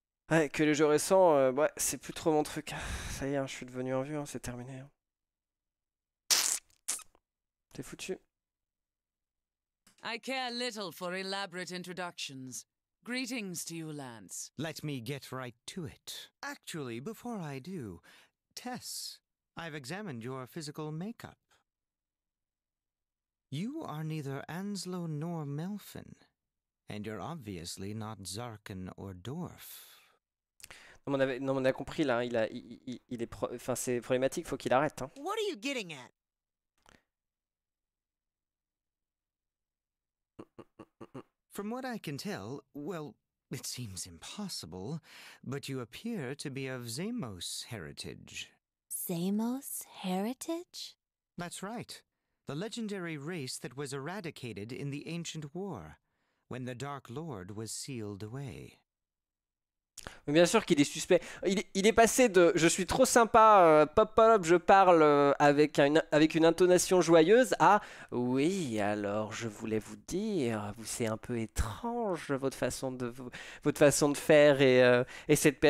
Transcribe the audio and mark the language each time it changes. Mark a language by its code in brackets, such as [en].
[fr] Ouais, que les jeux récents, ouais, c'est plus trop mon truc. Ça y est, hein, je suis devenu un vieux, hein, c'est terminé. Hein. T'es foutu. [en] I care little for elaborate introductions. Greetings to you, Lance. Let me get right to it. Actually, before I do, Tess, I've examined your physical makeup. You are neither Anslow nor Melfin, and you're obviously not Zarkin or Dorf. [fr] On a compris là, il est enfin c'est problématique, faut qu'il arrête hein. [en] What are you getting at? From what I can tell, well, it seems impossible, but you appear to be of Zamos heritage. Zamos heritage? That's right. The legendary race that was eradicated in the ancient war when the Dark Lord was sealed away. [fr] Mais bien sûr qu'il est suspect. Il est passé de je suis trop sympa, pop pop, je parle avec une intonation joyeuse à oui, alors je voulais vous dire, c'est un peu étrange votre façon de faire et cette.